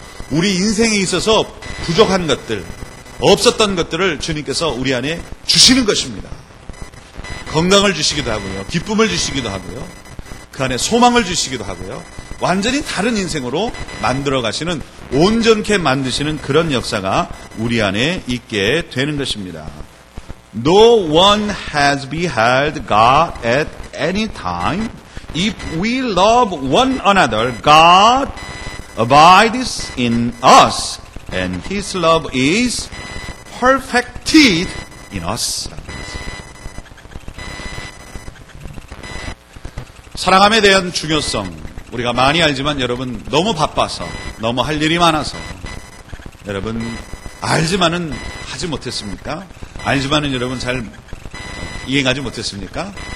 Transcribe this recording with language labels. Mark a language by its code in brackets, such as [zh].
[ko] 우리 인생에 있어서 부족한 것들, 없었던 것들을 주님께서 우리 안에 주시는 것입니다. 건강을 주시기도 하고요. 기쁨을 주시기도 하고요. 그 안에 소망을 주시기도 하고요. 완전히 다른 인생으로 만들어 가시는, 온전케 만드시는 그런 역사가 우리 안에 있게 되는 것입니다. [en] No one has beheld God at any time. If we love one another, God abides in us and His love is perfected in us. [ko] 사랑함에 대한 중요성 우리가 많이 알지만 여러분 너무 바빠서, 너무 할 일이 많아서 여러분 알지만은 하지 못했습니까? 알지만은 여러분 잘 이해하지 못했습니까?